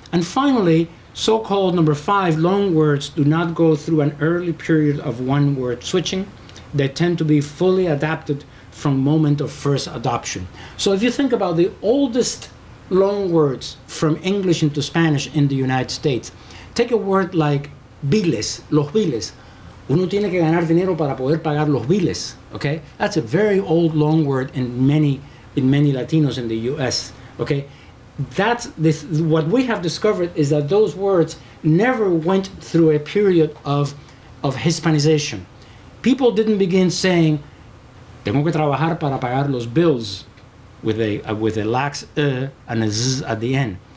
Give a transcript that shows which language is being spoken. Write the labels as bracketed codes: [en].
[en] And finally, so-called number five, long words do not go through an early period of one-word switching. They tend to be fully adapted from moment of first adoption. So if you think about the oldest long words from English into Spanish in the United States, take a word like biles, los biles. [es] Uno tiene que ganar dinero para poder pagar los biles, okay? [en] That's a very old long word in many Latinos in the U.S., okay? What we have discovered is that those words never went through a period of Hispanization. People didn't begin saying, [es] tengo que trabajar para pagar los bills, [en] with a lax and a z at the end.